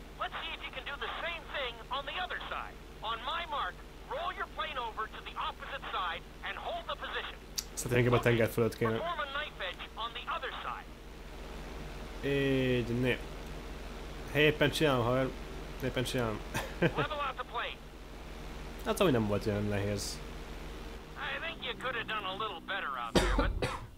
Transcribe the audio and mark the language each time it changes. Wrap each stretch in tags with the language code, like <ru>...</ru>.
<en>Let's see if you can do the same thing on the other side. On my mark, roll your plane over to the opposite side and hold the position.</en> <hu>Szerintem a tenger fölött kéne.</hu> <en>Perform a knife edge on the other side.</en> <hu>Így, né.</hu> <en>Hey,</en> <hu>éppen csinálom, haver. Éppen csinálom.</hu> <en>Level out the plane.</en> <hu>Hát, ami nem volt olyan nehéz.</hu> <en>I think you could have done a little better out there, but...</en>